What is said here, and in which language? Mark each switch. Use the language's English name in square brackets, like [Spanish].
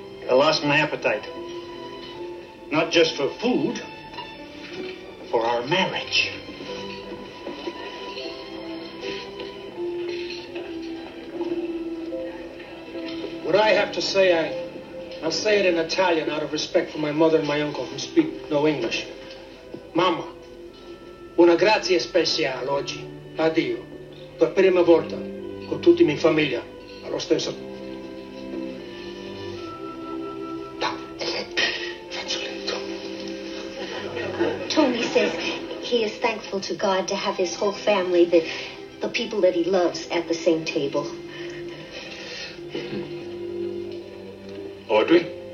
[English] I lost my appetite. Not just for food, for our marriage. What I have to say, I'll say it in Italian out of respect for my mother and my uncle who speak no English. [Italian] Mamma, una grazia speciale oggi, a Dio, per prima volta, con tutti mia famiglia, allo stesso. [English] Tony says he is thankful to God to have his whole family, the people that he loves, at the same table. Audrey?